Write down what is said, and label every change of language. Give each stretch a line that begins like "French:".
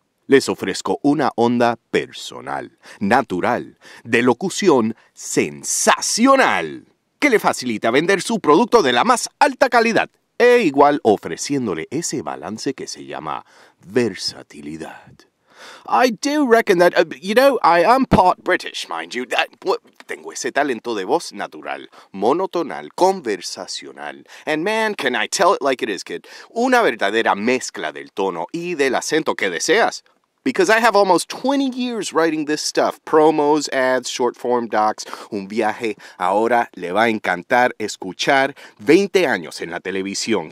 Spanish: Les ofrezco una onda personal, natural, de locución sensacional, que le facilita vender su producto de la más alta calidad, e igual ofreciéndole ese balance que se llama versatilidad.
English: I do reckon that, you know, I am part British, mind you.
Spanish: Tengo ese talento de voz natural, monotonal, conversacional.
English: And man, can I tell it like it is, kid.
Spanish: Una verdadera mezcla del tono y del acento que deseas.
English: Because I have almost 20 years writing this stuff. Promos, ads, short form docs,
Spanish: un viaje. Ahora le va a encantar escuchar 20 años en la televisión.